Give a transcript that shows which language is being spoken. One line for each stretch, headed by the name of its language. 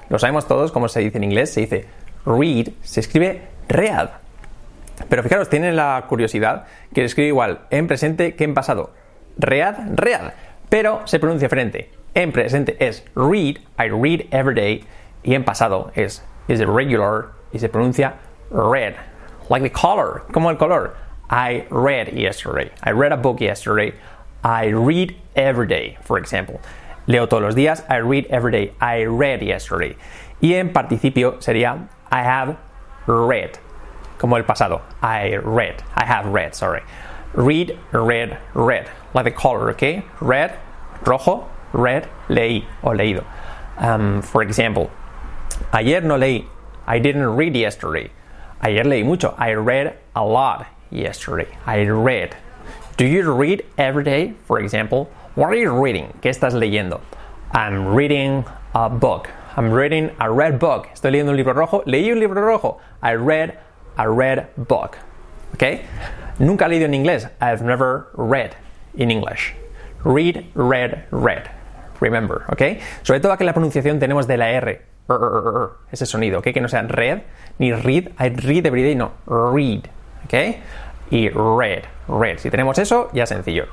Spanish: Lo sabemos todos cómo se dice en inglés, se dice read, se escribe read. Pero fijaros, tienen la curiosidad que se escribe igual en presente que en pasado. Read, read. Pero se pronuncia diferente. En presente es read,
English: I read every day.
Spanish: Y en pasado es is regular y se pronuncia read.
English: Like the color,
Spanish: como el color.
English: I read yesterday. I read a book yesterday. I read every day, for example.
Spanish: Leo todos los días.
English: I read every day. I read yesterday.
Spanish: Y en participio sería
English: I have read,
Spanish: como el pasado.
English: I have read. Read, read, read. Like the color, okay?
Spanish: Red, rojo, read, leí o leído. For example, ayer no leí.
English: I didn't read yesterday.
Spanish: Ayer leí mucho.
English: I read a lot yesterday. I read. Do you read every day? For example, what are you reading?
Spanish: ¿Qué estás leyendo?
English: I'm reading a book. I'm reading a red book.
Spanish: Estoy leyendo un libro rojo. Leí un libro rojo.
English: I read a red book.
Spanish: ¿Ok? Nunca he leído en inglés.
English: I've never read in English. Read, read, read. Remember. ¿Ok?
Spanish: Sobre todo aquí la pronunciación tenemos de la R. Ese sonido. ¿Ok? Que no sea read ni read.
English: I read every day.
Spanish: No. Read. ¿Ok? Y read, read. Si tenemos eso, ya sencillo.